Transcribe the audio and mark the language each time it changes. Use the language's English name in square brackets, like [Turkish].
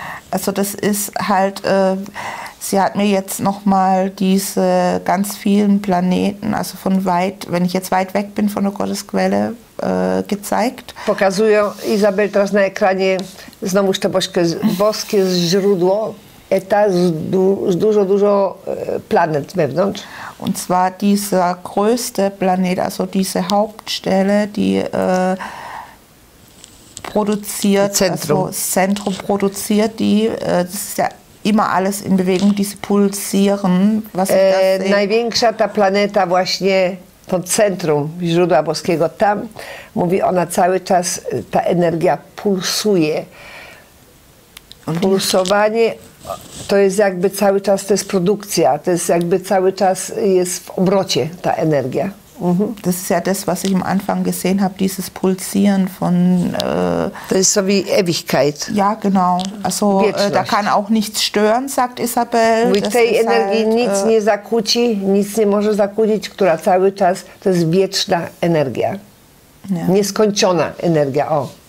[German] Also das ist halt, sie hat mir jetzt nochmal diese ganz vielen Planeten, also von weit, wenn ich jetzt weit weg bin von der Gottesquelle, gezeigt. [Polish] Pokazuje Isabel teraz na ekranie znowuż te boskie źródło. Eta z dużo, dużo planet wewnątrz. [German] Und zwar dieser größte Planet, also diese Hauptstelle, die produziert, Zentrum. Also das Zentrum produziert, die das ist ja immer alles in Bewegung, diese pulsieren. Was ich [Polish] największa ta planeta właśnie, to Zentrum źródła boskiego, tam, mówi, ona cały czas, ta energia pulsuje. Pulsowanie to jest jakby cały czas, to jest produkcja, to jest jakby cały czas jest w obrocie ta energia. [German] Das ist ja das, was ich am Anfang gesehen habe, dieses Pulsieren von... [Polish] To jest [German] so wie Ewigkeit. Ja, genau. Also da kann auch nichts stören, sagt Isabel. [Polish] Mówi, tej energii halt, nic nie zakłóci, nic nie może zakłócić, która cały czas, to jest wieczna energia. Ja. Nieskończona energia, o.